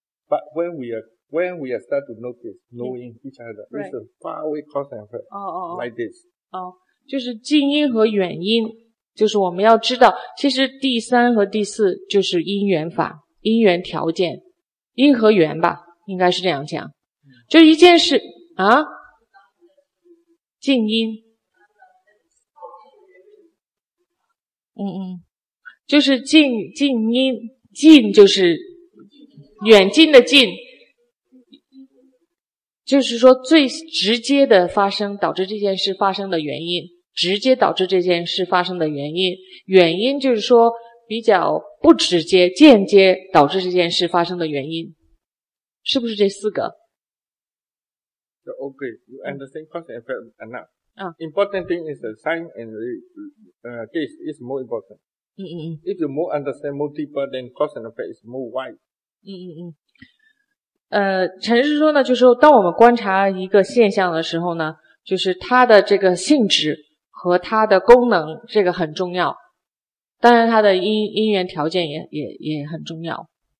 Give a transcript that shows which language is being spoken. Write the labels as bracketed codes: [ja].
[en] But when we are start to notice knowing each other, right. It's a far away cause and effect, like this. [zh] 哦，就是近因和远因，就是我们要知道，其实第三和第四就是因缘法、因缘条件、因和缘吧，应该是这样讲。就一件事啊，近因。就是近因，近就是远近的近，就是说最直接的发生，导致这件事发生的原因，直接导致这件事发生的原因，远因就是说比较不直接，间接导致这件事发生的原因，是不是这四个？ [en] So, okay, you understand cause and effect enough. Important thing is the sign and the case is more important. If you more understand, more deeper, then cause and effect is more wide. [zh] 陈师说呢，就是说当我们观察一个现象的时候呢，就是它的这个性质和它的功能，这个很重要。当然它的因缘条件也很重要。